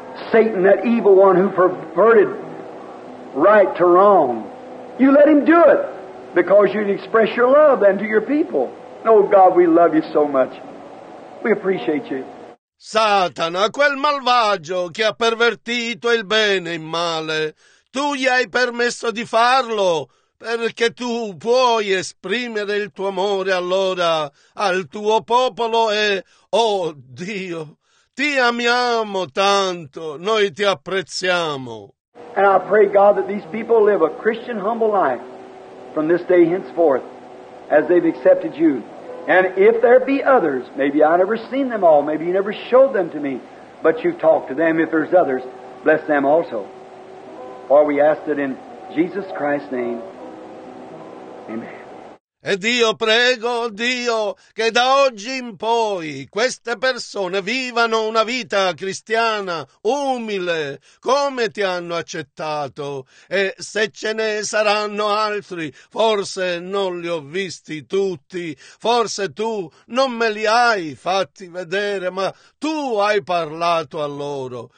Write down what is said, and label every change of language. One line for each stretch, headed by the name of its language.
English: Satan, that evil one who perverted right to wrong, you let him do it because you'd express your love then to your people. Oh God, we love you so much. We appreciate you.
Italian: Satana, quel malvagio che ha pervertito il bene in male, tu gli hai permesso di farlo perché tu puoi esprimere il tuo amore allora al tuo popolo e, oh Dio, ti amiamo tanto, noi ti apprezziamo.
English: And I pray, God, that these people live a Christian humble life from this day henceforth as they've accepted you. And if there be others, maybe I never seen them all, maybe you never showed them to me, but you've talked to them. If there's others, bless them also. For we ask it in Jesus Christ's name. Amen.
Italian: Ed io prego, Dio, che da oggi in poi queste persone vivano una vita cristiana, umile, come ti hanno accettato. E se ce ne saranno altri, forse non li ho visti tutti, forse tu non me li hai fatti vedere, ma tu hai parlato a loro.